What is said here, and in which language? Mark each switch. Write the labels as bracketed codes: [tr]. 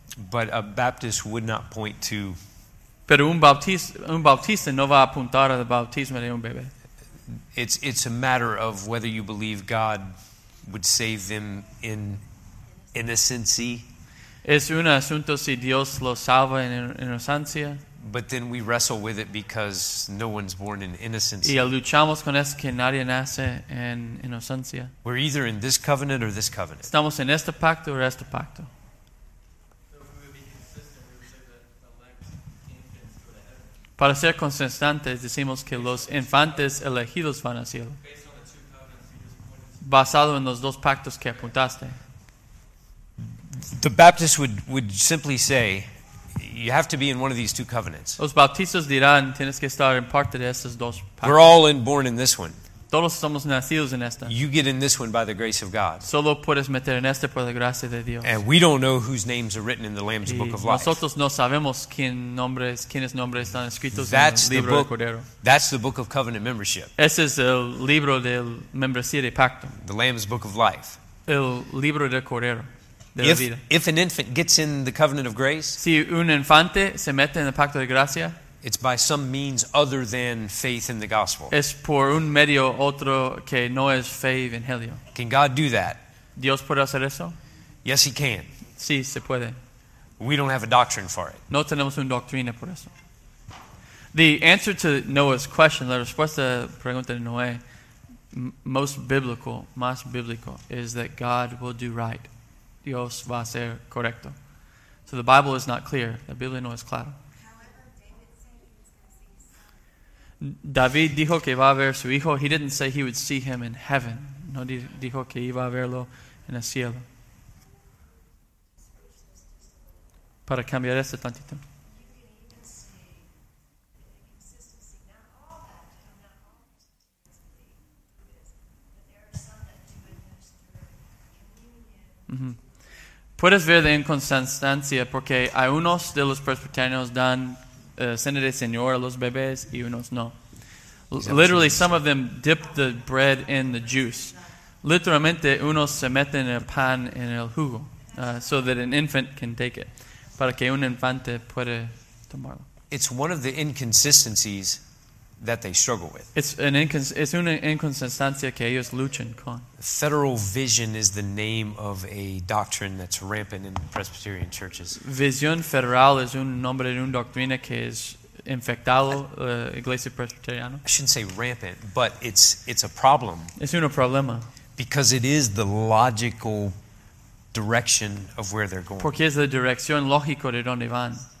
[en] But a Baptist would not point to... [es] Pero un bautista no va a apuntar al bautismo de un bebé. [en] It's a matter of whether you believe God would save them in innocency. [es] Es un asunto si Dios lo salva en inocencia. [en] But then we wrestle with it because no one's born in innocence. [es] Y luchamos con eso que nadie nace en inocencia. [en] We're either in this covenant or this covenant. [es] Estamos en este pacto o este pacto. [en] So if we would be consistent, we would say that elect infants go to heaven. [es] Para ser consistentes, decimos que los infantes elegidos van al cielo. [en] Based on the two covenants you just pointed. [es] Basado en los dos pactos que apuntaste. [en] The Baptist would simply say, you have to be in one of these two covenants. [es] Los bautistas dirán, tienes que estar en parte de estos dos pactos. [en] We're all born in this one. [es] Todos somos nacidos en esta. [en] You get in this one by the grace of God. [es] Solo puedes meter en este por la gracia de Dios. [en] And we don't know whose names are written in the Lamb's [es] y [en] Book of Life. [es] Nosotros no sabemos quiénes nombres están escritos [en] that's [es] en el libro [en] book, [es] del Cordero. [en] That's the Book of Covenant Membership. [es] Ese es el libro del membresía de pacto. [en] The Lamb's Book of Life. [es] El libro del Cordero. [en] If an infant gets in the covenant of grace, [es] si un infante se mete en el pacto de gracia, [en] it's by some means other than faith in the gospel. [es] Es por un medio otro que no es fe y evangelio. [en] Can God do that? [es] ¿Dios puede hacer eso? [en] Yes, he can. [es] Sí, se puede. [en] We don't have a doctrine for it. [es] No tenemos una doctrina por eso. [en] The answer to Noah's question, [es] la respuesta a la pregunta de Noé, más biblical, [en] is that God will do right. [es] Dios va a ser correcto. [en] So the Bible is not clear. [es] La Biblia no es clara. [en] However, David said he was going to save Saul. [es] David dijo que iba a ver su hijo. [en] He didn't say he would see him in heaven. [es] No dijo que iba a verlo en el cielo. Para cambiar este tantito. Puedes ver de inconsistencia porque algunos de los presbiterianos dan cena del Señor a los bebés y unos no. [en] Literally, some of them dip the bread in the juice. [es] Literalmente, unos se meten el pan en el jugo [en] so that an infant can take it. [es] Para que un infante pueda tomarlo. [en] It's one of the inconsistencies that they struggle with. [es] Es una inconsistencia que ellos luchan con. [en] Federal vision is the name of a doctrine that's rampant in Presbyterian churches. [es] Visión federal es un nombre de una doctrina que es infectado la iglesia presbiteriana. [en] I shouldn't say rampant, but it's a problem. [es] Es un problema. [en] Because it is the logical direction of where they're going. [es] Porque es la dirección lógica de donde van.